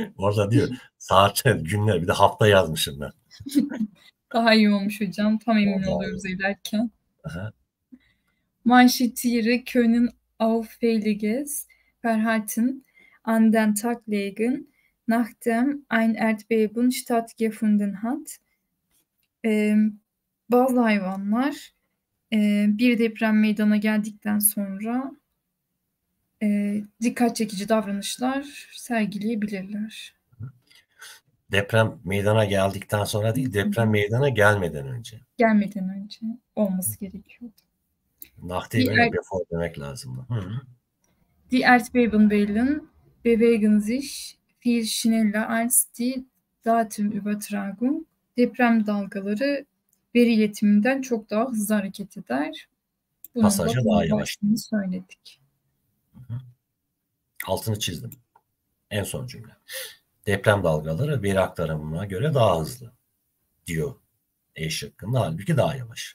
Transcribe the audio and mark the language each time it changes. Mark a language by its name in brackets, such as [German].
[Turkish] Orada diyor saatler, günler, bir de hafta yazmışım ben. Daha iyi olmuş hocam. Tam emin oluyoruz ilerken. [German] Manşetiere können auffälliges Verhalten an den Tag legen, nachdem ein Erdbeben stattgefunden hat. [Turkish] Bazı hayvanlar bir deprem meydana geldikten sonra dikkat çekici davranışlar sergileyebilirler. Deprem meydana geldikten sonra değil, deprem meydana gelmeden önce. Gelmeden önce olması gerekiyordu. Nachdem öyle bir form demek lazım. [German] Die Erdbebenwellen bewegen sich viel schneller als die Datenübertragung. [Turkish] Deprem dalgaları veri iletiminden çok daha hızlı hareket eder. Bunun pasajı da daha yavaş. Söyledik. Altını çizdim. En son cümle. Deprem dalgaları veri aktarımına göre daha hızlı diyor E şıkkında. Halbuki daha yavaş.